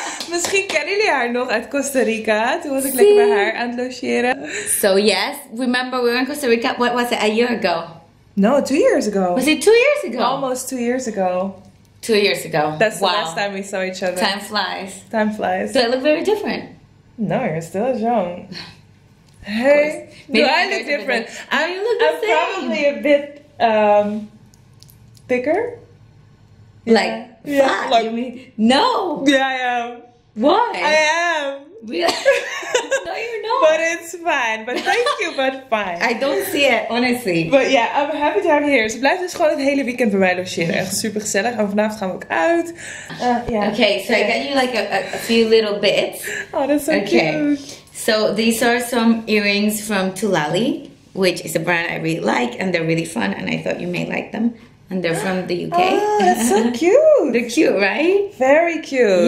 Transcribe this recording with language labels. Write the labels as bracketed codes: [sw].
[nl] Misschien kennen jullie haar nog uit Costa Rica. Toen was ik lekker bij haar aan het logeren. [en] So yes, remember we were in Costa Rica. What was it, a year ago? No, 2 years ago. Was it 2 years ago? Almost 2 years ago. 2 years ago. That's the last time we saw each other. Time flies. Time flies. Do I look very different? No, you're still as young. Hey, do I look different? You look the same. I'm probably a bit thicker. Like, yeah. Fat, like, you mean? No. Yeah, I am. Why? I am. No, you're not. But it's fine. But thank you, but fine. I don't see it, honestly. But yeah, I'm happy to have you here. [nl] Ze blijft dus gewoon het hele weekend bij mij logeren. Echt super gezellig. En vanavond gaan we ook uit. [en] Yeah. Okay, so I got you like a few little bits. Oh, that's so cute. So these are some earrings from Tulali, which is a brand I really like. And they're really fun. And I thought you may like them. And they're from the UK. Oh, that's so cute. They're cute, right? Very cute.